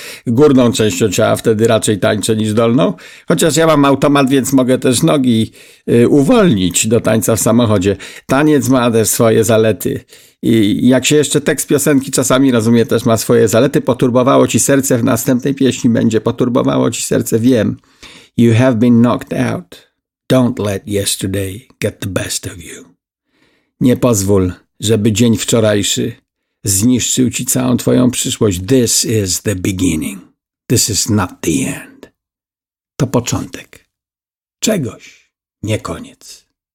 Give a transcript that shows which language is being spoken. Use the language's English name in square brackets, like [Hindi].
[Polish] Górną częścią ciała wtedy raczej tańczę niż dolną. Chociaż ja mam automat, więc mogę też nogi uwolnić do tańca w samochodzie. Taniec ma też swoje zalety. I jak się jeszcze tekst piosenki czasami rozumie, też ma swoje zalety. Poturbowało ci serce, w następnej pieśni będzie poturbowało ci serce, wiem. [English] You have been knocked out. Don't let yesterday get the best of you. [Polish] Nie pozwól, żeby dzień wczorajszy zniszczył ci całą twoją przyszłość. [English] This is the beginning. This is not the end. [Polish] To początek czegoś, nie koniec.